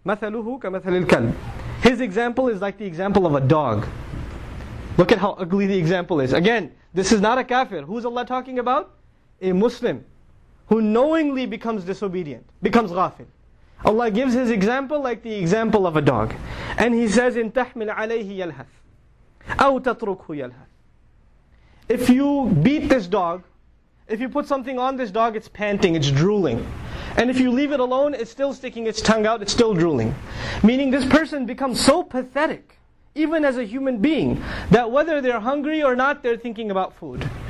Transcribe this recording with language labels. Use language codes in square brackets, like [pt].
[ar] مَثَلُهُ كَمَثَلِ الْكَلْبِ. [en] His example is like the example of a dog. Look at how ugly the example is. Again, this is not a kafir. Who's Allah talking about? A Muslim who knowingly becomes disobedient, becomes ghafil. Allah gives his example like the example of a dog. And he says, [ar] إِن تَحْمِلْ عَلَيْهِ يَلْهَثْ أَوْ تَطْرُكْهُ يَلْهَثْ. [en] If you beat this dog, if you put something on this dog, it's panting, it's drooling. And if you leave it alone, it's still sticking its tongue out, it's still drooling. Meaning this person becomes so pathetic, even as a human being, that whether they're hungry or not, they're thinking about food.